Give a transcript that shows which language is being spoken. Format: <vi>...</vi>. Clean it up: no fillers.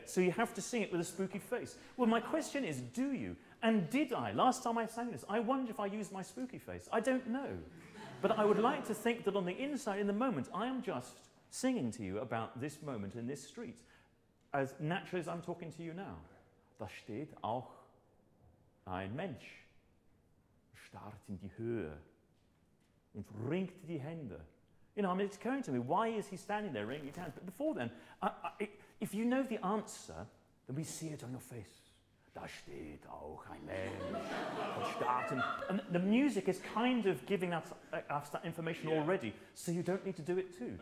<en>So you have to sing it with a spooky face. Well, my question is, do you? And did I? Last time I sang this, I wondered if I used my spooky face. I don't know. But I would like to think that on the inside, in the moment, I am just singing to you about this moment in this street, as naturally as I'm talking to you now.</en> <de>Da steht auch ein Mensch, starrt in die Höhe, und ringt die Hände.</de> <en>You know, I mean, it's occurring to me, why is he standing there wringing his hands? But before then, if you know the answer, then we see it on your face.</en> <de>da steht auch ein Mensch, und start,</de> <en>and the music is kind of giving us that information yeah. already, so you don't need to do it too.</en>